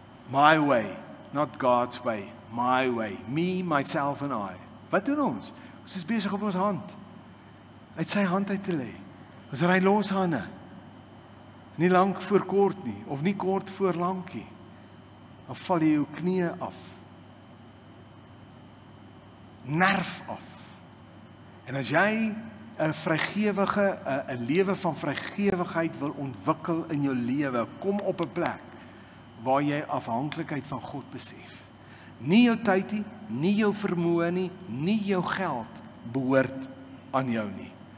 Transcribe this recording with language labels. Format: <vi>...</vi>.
<en>My way, not God's way, my way, me, myself and I.</en> <af>Wat doen ons? Ons is besig op ons hand, uit sy hand uit te lê. Ons ry loshande, nie lank voor kort nie, of nie kort voor lankie, dan val jy jou knieën af, nerf af. En as jy 'n vrygewige, 'n lewe van vrygewigheid wil ontwikkel in jou lewe, kom op 'n plek, waar jy afhanklikheid van God besef. Nie jou tyd nie, nie jou vermoë nie, nie jou geld behoort aan jou nie.</af>